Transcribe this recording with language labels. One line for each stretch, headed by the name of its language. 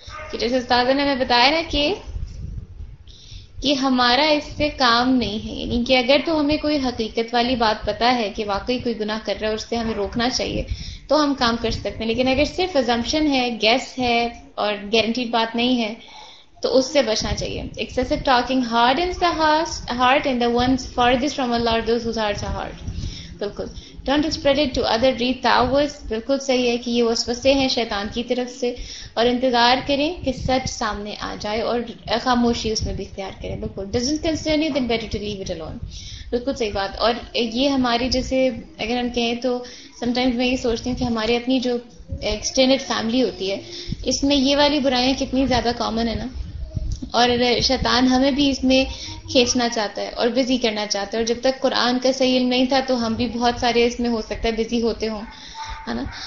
Urdu: کہ جیسے استاذہ نے ہمیں بتایا نا کہ ہمارا اس سے کام نہیں ہے, یعنی کہ اگر تو ہمیں کوئی حقیقت والی بات پتا ہے کہ واقعی کوئی گناہ کر رہا ہے اور اس سے ہمیں روکنا چاہیے تو ہم کام کر سکتے ہیں. لیکن اگر صرف assumption ہے, guess ہے اور guaranteed بات نہیں ہے تو اس سے بچنا چاہیے.
English: excessive talking hardens the heart and the ones farthest from Allah are those whose hearts are hard.
Urdu: بالکل.
English: don't spread it to other retowers,
Urdu: بالکل صحیح ہے کہ یہ وسوسے ہیں شیطان کی طرف سے. اور انتظار کریں کہ سچ سامنے آ جائے اور خاموشی اس میں بھی اختیار کریں. بالکل.
English: doesn't concern you, then better to leave it alone.
Urdu: بالکل صحیح بات. اور یہ ہماری, جیسے اگر ہم کہیں تو sometimes میں یہ سوچتی ہوں کہ ہماری اپنی جو ایکسٹینڈیڈ فیملی ہوتی ہے اس میں یہ والی برائیاں کتنی زیادہ کامن ہے نا, اور شیطان ہمیں بھی اس میں کھینچنا چاہتا ہے اور بزی کرنا چاہتا ہے. اور جب تک قرآن کا صحیح علم نہیں تھا تو ہم بھی بہت سارے اس میں ہو سکتا ہے بزی ہوتے ہوں, ہے نا.